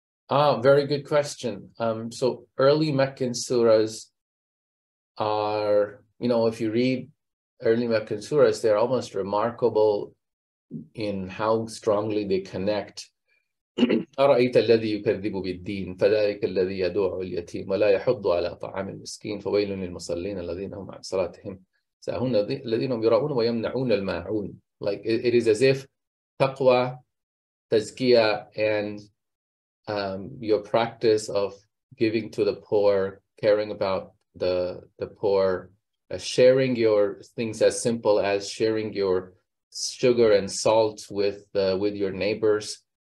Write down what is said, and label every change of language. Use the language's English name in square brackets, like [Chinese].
[English] Very good question. So early Meccan surahs are, you know, if you read early Meccan surahs, they're almost remarkable in how strongly they connect. [Arabic] أرأيت الذي يكذب بالدين فذلك الذي يدعو اليتيم ولا يحض على طعام المسكين فويل للمصلين الذين هم عن صلاتهم ساهون الذين هم يراؤون ويمنعون الماعون. [English] Like it is as if taqwa, tazkiya, and your practice of giving to the poor, caring about the poor, sharing your things as simple as sharing your sugar and salt with your neighbors.